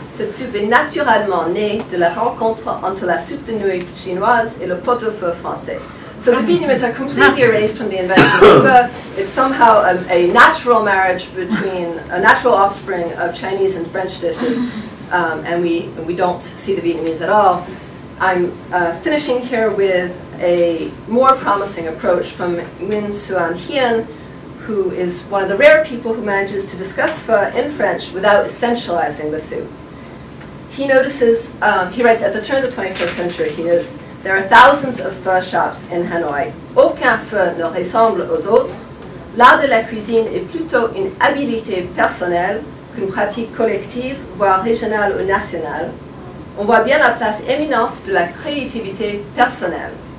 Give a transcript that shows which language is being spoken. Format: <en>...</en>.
<fr>Cette soupe est naturellement née de la rencontre entre la soupe de nouilles chinoise et le pot-au-feu français.</fr> <en>So the Vietnamese are completely erased from the invention of pho. It's somehow a natural marriage between a natural offspring of Chinese and French dishes, and we don't see the Vietnamese at all. I'm finishing here with a more promising approach from Nguyen Xuan Hien, who is one of the rare people who manages to discuss pho in French without essentializing the soup. He notices, he writes, at the turn of the 21st century, he notices there are thousands of pho shops in Hanoi.</en> <fr>Aucun pho ne ressemble aux autres. L'art de la cuisine est plutôt une habileté personnelle qu'une pratique collective, voire régionale ou nationale. On voit bien la place éminente de la créativité personnelle.</fr>